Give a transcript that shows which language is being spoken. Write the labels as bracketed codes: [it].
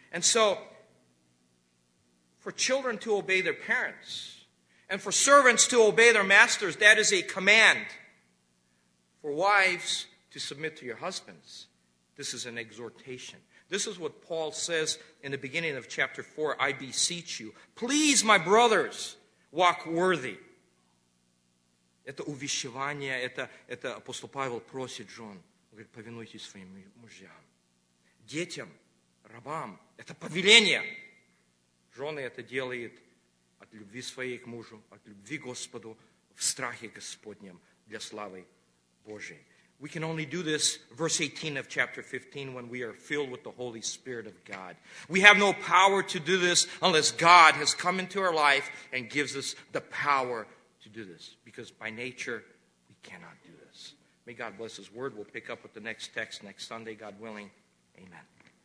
[en] And so, for children to obey their parents, and for servants to obey their masters, that is a command. For wives to submit to your husbands, this is an exhortation. This is what Paul says in the beginning of chapter 4, I beseech you, please, my brothers, walk worthy. [ru] Это увещевание, это апостол Павел просит жен. Он говорит, повинуйтесь своим мужьям. Детям, рабам, это повеление. Жены это делают от любви своей к мужу, от любви к Господу, в страхе Господнем, для славы Божьей. [en] We can only do this, verse 18 of chapter 15, when we are filled with the Holy Spirit of God. We have no power to do this unless God has come into our life and gives us the power to do this. Because by nature, we cannot do this. May God bless his word. We'll pick up with the next text next Sunday, God willing. Amen.